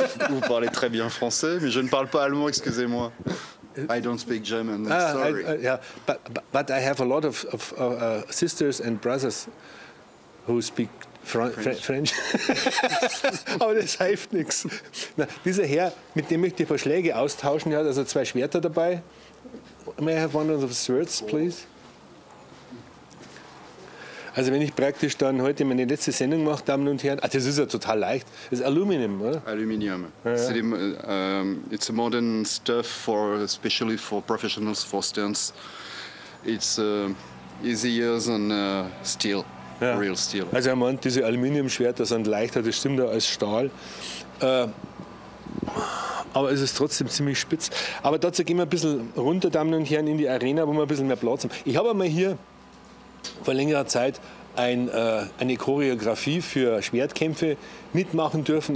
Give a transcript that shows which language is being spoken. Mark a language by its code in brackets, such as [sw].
[fr] Vous parlez très bien français, mais je ne parle pas allemand, excusez-moi. [en] I don't speak German, I'm sorry. But I have a lot of sisters and brothers who speak French. [de] Aber das hilft nichts. Dieser Herr, mit dem ich die Verschläge austauschen, hat also zwei Schwerter dabei. [en] May I have one of the swords, please? [de] Also wenn ich praktisch dann heute meine letzte Sendung mache, Damen und Herren, das ist ja total leicht. Das ist Aluminium, oder? Aluminium. Ja, ja. [en] It's a modern stuff, for especially for professionals, for stunts. It's easier than steel, ja. Real steel. [de] Also er meint, diese Aluminiumschwerter sind leichter, das stimmt ja, als Stahl. Aber es ist trotzdem ziemlich spitz. Aber dazu gehen wir ein bisschen runter, Damen und Herren, in die Arena, wo wir ein bisschen mehr Platz haben. Ich habe einmal hier vor längerer Zeit eine Choreografie für Schwertkämpfe mitmachen dürfen.